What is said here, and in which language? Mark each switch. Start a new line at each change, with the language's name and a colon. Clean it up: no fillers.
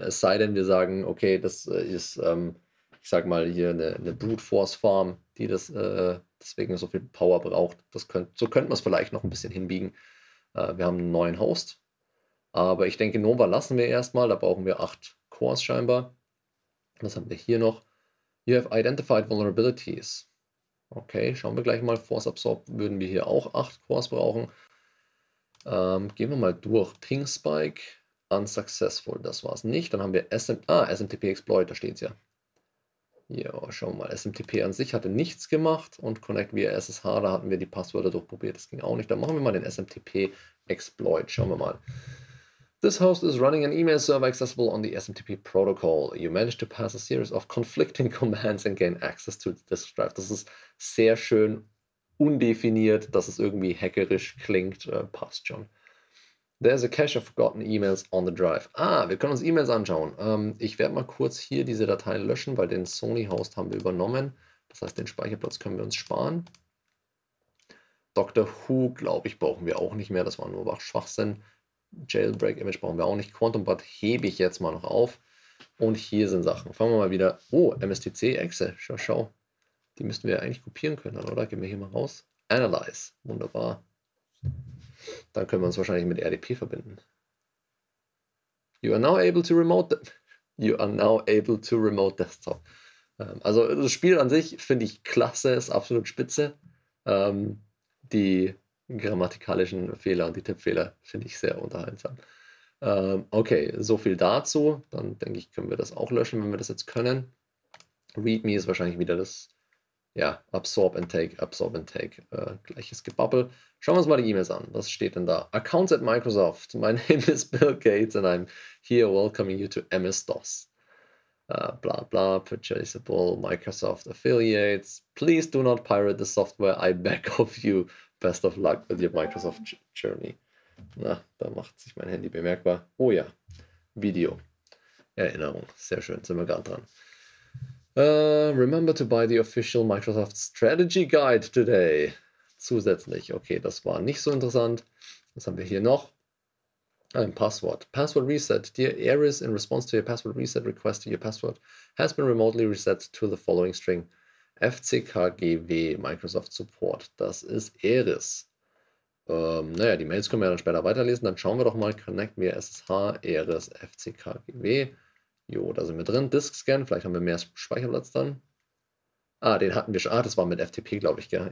German: Es sei denn, wir sagen, okay, das ist, ich sag mal, hier eine Brute Force Farm, die das deswegen so viel Power braucht. So könnten wir es vielleicht noch ein bisschen hinbiegen. Wir haben einen neuen Host. Aber ich denke, Nova lassen wir erstmal. Da brauchen wir 8 Cores scheinbar. Was haben wir hier noch?
English: You have identified vulnerabilities.
German: Okay, schauen wir gleich mal. Force Absorb würden wir hier auch 8 Cores brauchen. Gehen wir mal durch. Ping Spike. Unsuccessful. Das war es nicht. Dann haben wir SMTP Exploit. Da steht es ja. Ja, schauen wir mal. SMTP an sich hatte nichts gemacht. Und Connect via SSH. Da hatten wir die Passwörter durchprobiert. Das ging auch nicht. Dann machen wir mal den SMTP Exploit. Schauen wir mal.
English: This host is running an email server accessible on the SMTP protocol. You manage to pass a series of conflicting commands and gain access to the disk drive.
German: Das ist sehr schön undefiniert, dass es irgendwie hackerisch klingt. Passt schon.
English: There's a cache of forgotten emails on the drive.
German: Ah, wir können uns E-Mails anschauen. Ich werde mal kurz hier diese Dateien löschen, weil den Sony-Host haben wir übernommen. Das heißt, den Speicherplatz können wir uns sparen. Doctor Who, glaube ich, brauchen wir auch nicht mehr. Das war nur Schwachsinn. Jailbreak-Image brauchen wir auch nicht. Quantum Bud hebe ich jetzt mal noch auf. Und hier sind Sachen. Fangen wir mal wieder. Oh, MSTC-Exe. Schau, schau. Die müssten wir ja eigentlich kopieren können, dann, oder? Gehen wir hier mal raus. Analyze. Wunderbar. Dann können wir uns wahrscheinlich mit RDP verbinden.
English: You are now able to remote. You are now able to remote desktop.
German: Also, das Spiel an sich finde ich klasse. Ist absolut spitze. Die grammatikalischen Fehler und die Tippfehler finde ich sehr unterhaltsam. Okay, so viel dazu. Dann denke ich, können wir das auch löschen, wenn wir das jetzt können. README ist wahrscheinlich wieder das, ja, Absorb and Take, gleiches Gebabbel. Schauen wir uns mal die E-Mails an. Was steht denn da? Accounts at Microsoft.
English: My name is Bill Gates and I'm here welcoming you to MS-DOS. Bla bla, purchasable Microsoft Affiliates. Please do not pirate the software. I beg of you. Best of luck with your Microsoft Journey.
German: Na, da macht sich mein Handy bemerkbar. Oh ja, Video. Erinnerung. Sehr schön, sind wir gerade dran.
English: Remember to buy the official Microsoft Strategy Guide today.
German: Zusätzlich. Okay, das war nicht so interessant. Was haben wir hier noch? Ein Passwort. Password reset.
English: Dear Aris, in response to your password reset request, your password has been remotely reset to the following string.
German: FCKGW, Microsoft Support, das ist Eris. Naja, die Mails können wir ja dann später weiterlesen. Dann schauen wir doch mal. Connect via SSH, Eris, FCKGW. Jo, da sind wir drin. Disk Scan, vielleicht haben wir mehr Speicherplatz dann. Ah, den hatten wir schon. Ah, das war mit FTP, glaube ich, gell?